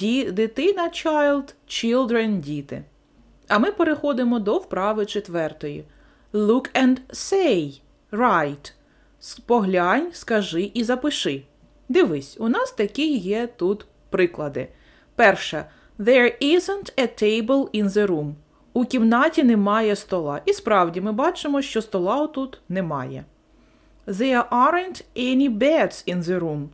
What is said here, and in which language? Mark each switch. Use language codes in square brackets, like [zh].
[uk] Дитина – [en] child, children [uk] – діти. А ми переходимо до вправи четвертої. [en] Look and say – write. [uk] Поглянь, скажи і запиши. Дивись, у нас такі є тут приклади. Перше. [en] There isn't a table in the room. [uk] У кімнаті немає стола. І справді ми бачимо, що стола тут немає. [en] There aren't any beds in the room.